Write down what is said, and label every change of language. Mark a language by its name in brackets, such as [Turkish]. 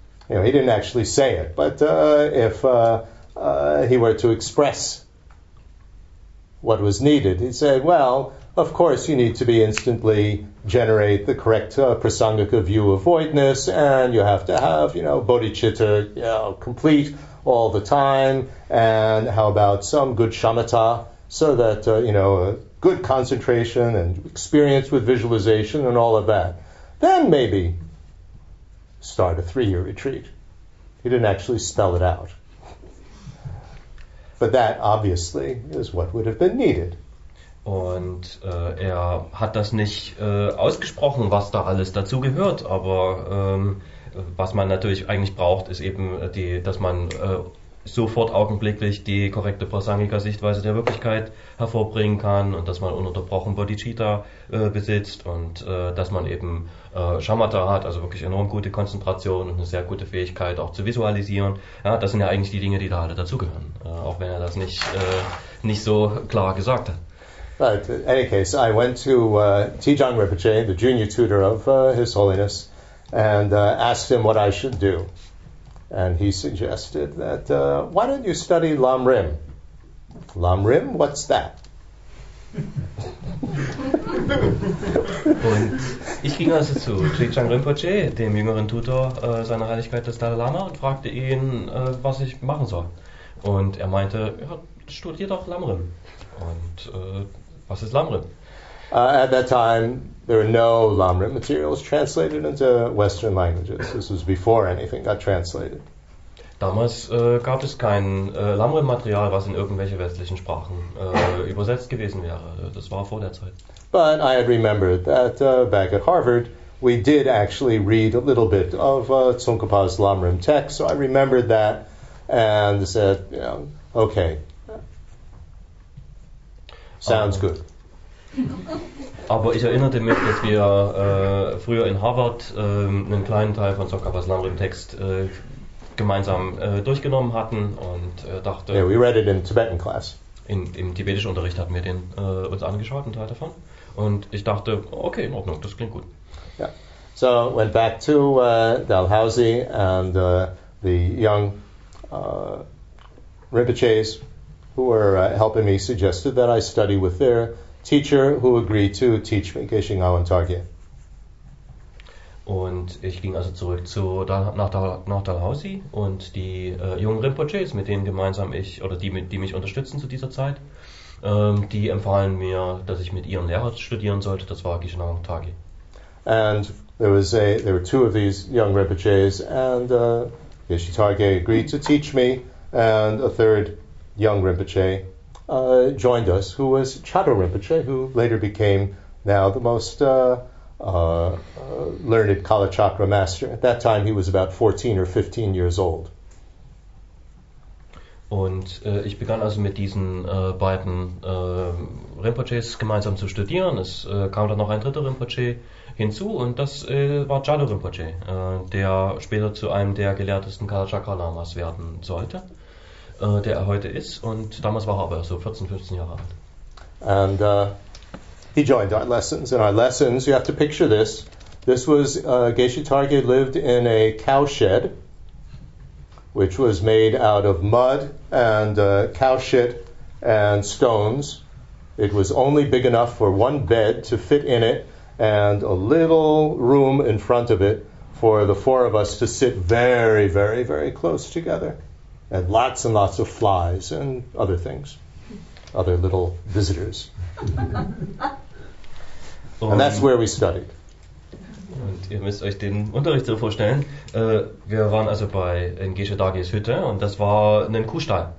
[English] You know, he didn't actually say it, but if he were to express what was needed, he'd say, well, of course you need to be instantly generate the correct prasangika view of voidness, and you have to have, you know, bodhicitta, you know, complete all the time, and how about some good shamatha, so that, you know, good concentration and experience with visualization and all of that. Then maybe start a 3-year retreat. He didn't actually spell it out. But that, obviously, is what would have been needed. [German] Und er hat das nicht ausgesprochen, was da alles dazu gehört, aber was man natürlich eigentlich braucht, ist eben, dass man sofort augenblicklich die korrekte Prasangika-Sichtweise der Wirklichkeit hervorbringen kann und dass man ununterbrochen Bodhicitta besitzt und dass man eben Shamatha hat, also wirklich enorm gute Konzentration und eine sehr gute Fähigkeit auch zu visualisieren. Ja, das sind ja eigentlich die Dinge, die da alle dazugehören, auch wenn er das nicht so klar gesagt hat. [English] But in any case, I went to Tejong Rinpoche, the junior tutor of His Holiness, and asked him what I should do. And he suggested that, why don't you study Lam Rim? Lam Rim? What's that? [German] Und ich ging also zu Tejong Rinpoche, dem jüngeren Tutor seiner Heiligkeit des Dalai Lama, und fragte ihn, was ich machen soll. Und er meinte, ja, studier doch Lam Rim. Und... was ist Lam Rim? [English] At that time, there were no Lam Rim materials translated into Western languages. This was before anything got translated. [German] Damals gab es kein Lam Rim Material, was in irgendwelche westlichen Sprachen übersetzt gewesen wäre. Das war vor der Zeit. [English] But I had remembered that back at Harvard, we did actually read a little bit of Tsongkhapa's Lam Rim text. So I remembered that and said, you know, okay. Sounds good. [German] Aber ich erinnerte mich, dass wir früher in Harvard einen kleinen Teil von Tsongkhapas Lam Rim Text gemeinsam durchgenommen hatten und dachte... [English] Yeah, we read it in Tibetan class. [German] Im tibetischen Unterricht hatten wir den uns angeschaut, einen Teil davon. Und ich dachte, okay, in Ordnung, das klingt gut. [English] Yeah. So I went back to Dalhousie, and the young Rinpoches, who were helping me, suggested that I study with their teacher, who agreed to teach me Geshe Ngawen Tarkye. [German] Und ich ging also zurück zu nach Dalhousie, und die jungen Rinpoches, mit denen gemeinsam ich, oder die mich unterstützen zu dieser Zeit, die empfahlen mir, dass ich mit ihrem Lehrer studieren sollte. Das war Geshe Ngawen Tarkye. [English] And there were two of these young Rinpoches, and Geshe Tarkye agreed to teach me, and a third young Rinpoche joined us, who was Chado Rinpoche, who later became now the most learned Kalachakra master. At that time he was about 14 or 15 years old. [German] Und ich begann also mit diesen beiden Rinpoches gemeinsam zu studieren. Es kam dann noch ein dritter Rinpoche hinzu, und das war Chado Rinpoche, der später zu einem der gelehrtesten Kalachakra Lamas werden sollte, der er heute ist, und damals war er aber so 14, 15 Jahre alt. [English] And he joined our lessons. In our lessons, you have to picture this. This was Geshe Tarkye lived in a cow shed, which was made out of mud and cow shit and stones. It was only big enough for one bed to fit in it, and a little room in front of it for the four of us to sit very, very, very close together. And lots of flies and other things, other little visitors. And that's where we studied. [German] Und ihr müsst euch den Unterricht so vorstellen. Wir waren also bei in Geshe Tarkyes Hütte, und das war ein Kuhstall.